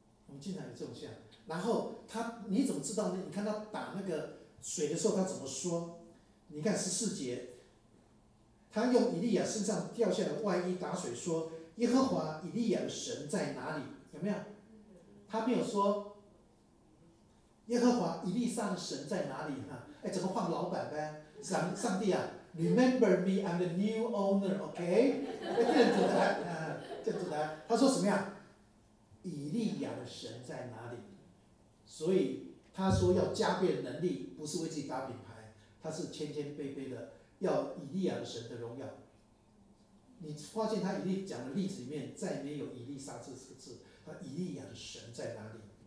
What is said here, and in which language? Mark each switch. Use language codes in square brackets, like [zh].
[zh] 我们经常有这种现象。然后他，你怎么知道呢？你看他打那个水的时候，他怎么说？你看十四节，他用以利亚身上掉下的外衣打水，说：“耶和华以利亚的神在哪里？” 有没有？他没有说耶和华以利沙的神在哪里哈？哎，怎么换老板呗？上帝啊 [en] ，Remember me, I'm the new owner, OK？ [zh] 这主台，这主台，他说什么呀？以利亚的神在哪里？所以他说要加倍的能力，不是为自己打品牌，他是谦谦卑卑的要以利亚的神的荣耀。你发现他以利讲的例子里面再没有以利沙这个字，他以利亚的神在哪里？